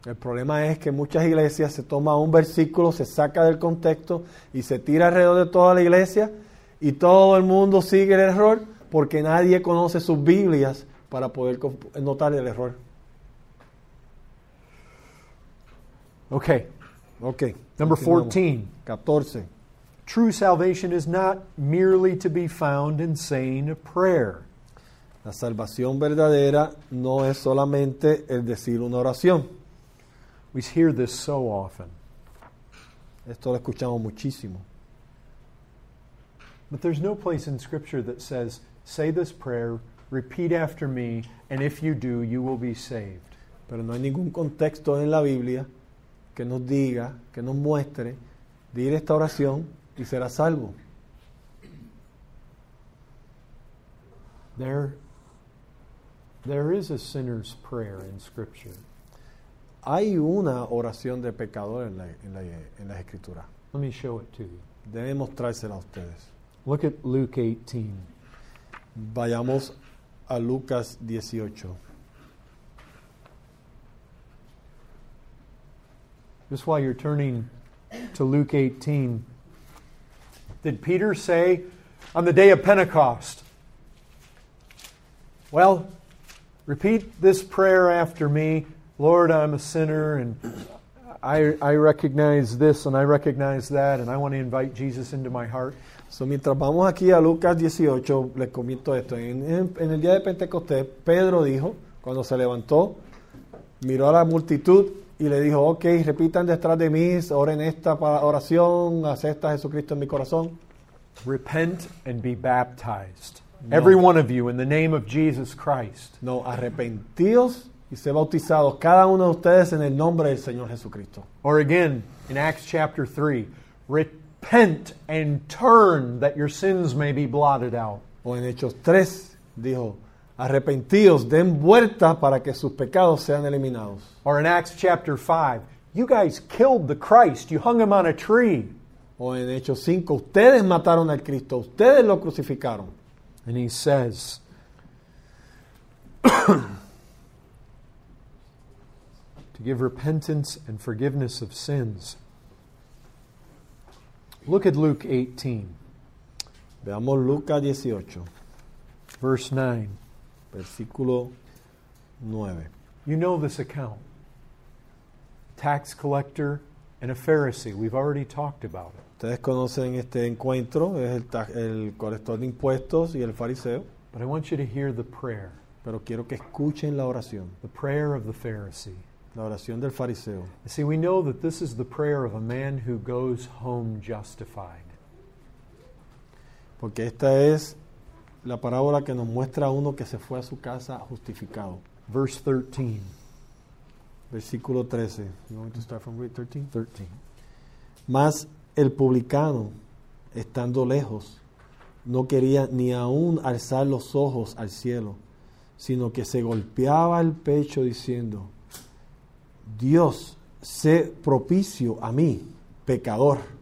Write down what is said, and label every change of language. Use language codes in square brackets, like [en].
[es] El problema es que muchas iglesias se toma un versículo, se saca del contexto y se tira alrededor de toda la iglesia Y todo el mundo sigue el error porque nadie conoce sus Biblias para poder notar el error. [en] Okay. Number 14. 14. True salvation is not merely to be found in saying a prayer. [es] La salvación verdadera no es solamente el decir una oración. [en] We hear this so often. [es] Esto lo escuchamos muchísimo. [en] But there's no place in Scripture that says, say this prayer, repeat after me, and if you do, you will be saved. [es] Pero no hay ningún contexto en la Biblia que nos diga, que nos muestre, dir esta oración y será salvo. [en] There is a sinner's prayer in Scripture. [es] Hay una oración de pecador en la Escritura. [en] Let me show it to you. [es] Debe mostrársela a ustedes. [en] Look at Luke 18. [es] Vayamos a Lucas 18. [en] Just while you're turning to Luke 18, did Peter say on the day of Pentecost, well, repeat this prayer after me, Lord, I'm a sinner, and I recognize this, and I recognize that, and I want to invite Jesus into my heart. [es] So, mientras vamos aquí a Lucas 18, les comento esto. En el día de Pentecostés, Pedro dijo, cuando se levantó, miró a la multitud y le dijo, ok, repitan detrás de mí, oren esta oración, acepta a Jesucristo en mi corazón. [en] Repent and be baptized. No. Every one of you in the name of Jesus Christ. [es] No, arrepentíos y sé bautizados, cada uno de ustedes en el nombre del Señor Jesucristo. [en] Or again, in Acts chapter 3, repent and turn that your sins may be blotted out. [es] O en Hechos 3, dijo, arrepentíos, den vuelta para que sus pecados sean eliminados. [en] Or in Acts chapter 5, you guys killed the Christ, you hung him on a tree. [es] O en Hechos 5, ustedes mataron al Cristo, ustedes lo crucificaron. [en] And he says, to give repentance and forgiveness of sins. Look at Luke 18. [es] Veamos Lucas 18. [en] Verse 9. [es] Versículo 9. [en] You know this account. Tax collector and a Pharisee. We've already talked about it. [es] Ustedes conocen este encuentro, es el colector de impuestos y el fariseo. [en] But I want you to hear the prayer. [es] Pero quiero que escuchen la oración. [en] The prayer of the Pharisee. [es] La oración del fariseo. [en] See, we know that this is the prayer of a man who goes home justified. [es] Porque esta es la parábola que nos muestra a uno que se fue a su casa justificado. [en] Verse 13. [es] Versículo 13. [en] You want me to start from read 13? [es] 13. Mas el publicano, estando lejos, no quería ni aún alzar los ojos al cielo, sino que se golpeaba el pecho diciendo, Dios, sé propicio a mí, pecador.